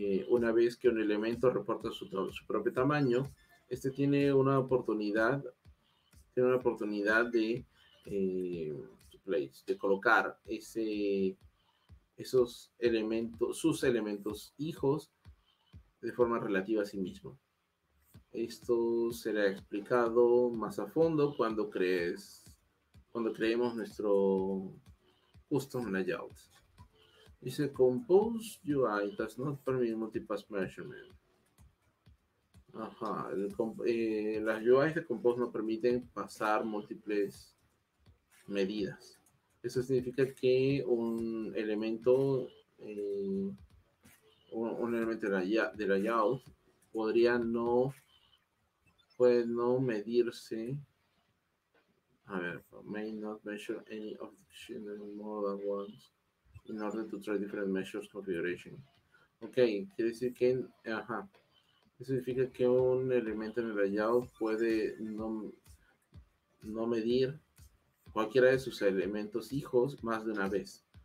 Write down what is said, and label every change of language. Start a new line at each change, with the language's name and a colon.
Spanish: Una vez que un elemento reporta su propio tamaño, este tiene una oportunidad de place, de colocar esos elementos, sus elementos hijos, de forma relativa a sí mismo. Esto será explicado más a fondo cuando creemos nuestro custom layout.
English: Dice, Compose UI does not permit multipass measurement.
Spanish: Ajá, las UIs de Compose no permiten pasar múltiples medidas. Eso significa que un elemento de layout puede no medirse. A ver,
English: may not measure any of the children more than once in order to try different measures configuration.
Spanish: Ok, quiere decir que, ajá. Eso significa que un elemento en el layout puede no medir cualquiera de sus elementos hijos más de una vez.